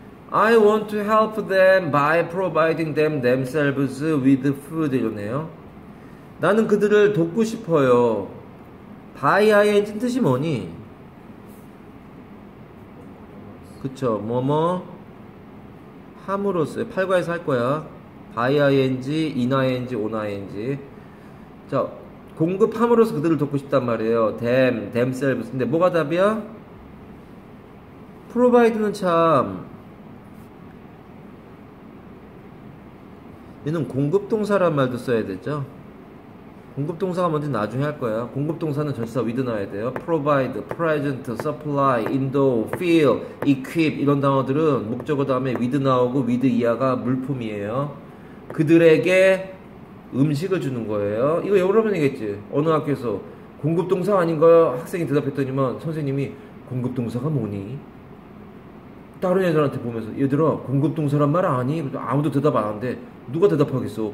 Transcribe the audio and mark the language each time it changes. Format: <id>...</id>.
<en>I want to help them by providing them themselves with food</en> <ko>이러네요. 나는 그들을 돕고 싶어요. by ing 뜻이 뭐니? 그쵸. 뭐뭐 함으로써 팔과에서 할 거야.</ko> <en>by ing, in ing, on ing.</en> <ko>자, 공급함으로써 그들을 돕고 싶단 말이에요.</ko> <en>them, themselves.</en> <ko>근데 뭐가 답이야? provide는 참 얘는 공급동사란 말도 써야 되죠. 공급동사가 뭔지 나중에 할 거야. 공급동사는 절사 with 나와야 돼요. provide, present, supply, endow, fill, equip 이런 단어들은 목적어 다음에 with 나오고 with 이하가 물품이에요. 그들에게 음식을 주는 거예요. 이거 여러분 얘기했지. 어느 학교에서 공급동사 아닌가요? 학생이 대답했더니만 선생님이 공급동사가 뭐니? 다른 애들한테 보면서 얘들아 공급동사란 말 아니? 아무도 대답 안 하는데 누가 대답하겠어?</ko>